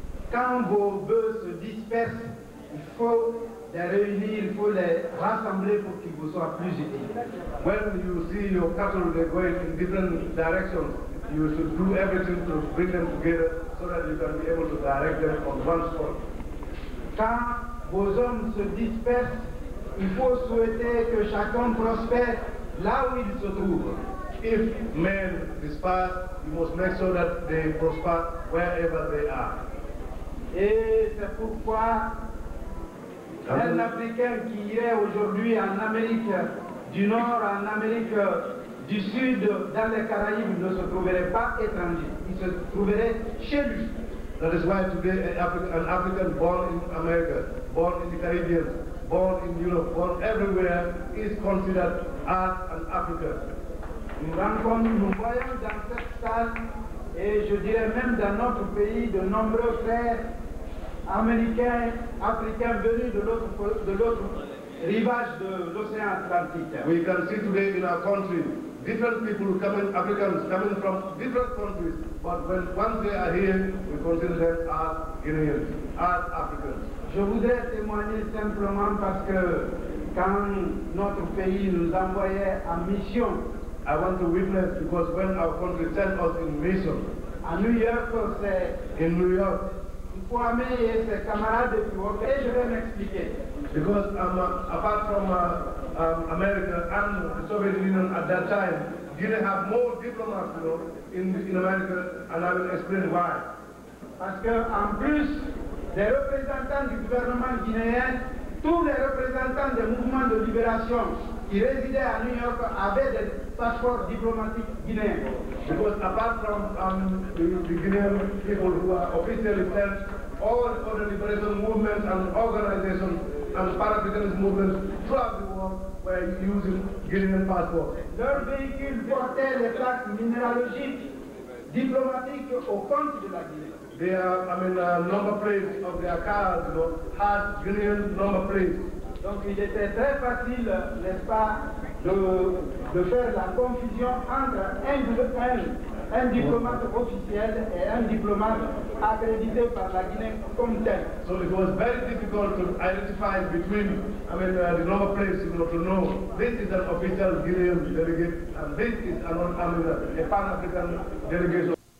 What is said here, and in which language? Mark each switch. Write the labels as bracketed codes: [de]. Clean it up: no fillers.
[fr] quand vos bœufs se dispersent, il faut les réunir, il faut les rassembler pour qu'ils vous soient plus utiles. [en] When you see your cattle, they're going in different directions, you should do everything to bring them together so that you can be able to direct them on one spot. [fr] Quand vos hommes se dispersent, il faut souhaiter que chacun prospère là où il se trouve. [en] If men disperse, you must make sure that they prosper wherever they are. [fr] Et c'est pourquoi un Africain qui irait aujourd'hui en Amérique du Nord, en Amérique du sud dans les Caraïbes ne se trouverait pas étranger. Il se trouverait chez lui. [en] That is why today an African born in America, born in the Caribbean, born in Europe, born everywhere, is considered as an African. [fr] Nous rencontrons, nous voyons dans cette salle, et je dirais même dans notre pays, de nombreux frères américains, africains venus de l'autre rivage de l'océan Atlantique. [en] We can see today in our country different people coming, Africans coming from different countries, but when once they are here, we consider them as Guineans, as Africans. [fr] Je voudrais témoigner simplement parce que quand notre pays nous envoyait en mission, [en] I want to witness because when our country sent us in mission, [fr] à New York, c'est [en] in New York, [fr] Kwame et ses camarades qui ont fait, je vais m'expliquer. [en] Because apart from America and the Soviet Union at that time, Guinea had more diplomats, you know, in America, and I will explain why. [fr] Parce que en plus des représentants du gouvernement guinéen, tous les représentants des mouvements de libération qui résidaient à New York avaient des passeports diplomatiques guinéens. [en] Because apart from the Guinean people who are officially sent, all the other liberation movements and organizations and paraphernalist movements throughout the world were using Guinean passports. [fr] Leurs véhicules portaient les plaques minéralogiques diplomatiques au compte de la Guinée. [en] Number plates of their cars, you know, had Guinean number plates. [fr] Donc il était très facile, n'est-ce pas, de faire la confusion entre un diplomate officiel et un diplomate accrédité par la Guinée comme tel. [en] So it was very difficult to identify between, the number plates, you know, to know this is an official Guinean delegate and this is a Pan-African delegation.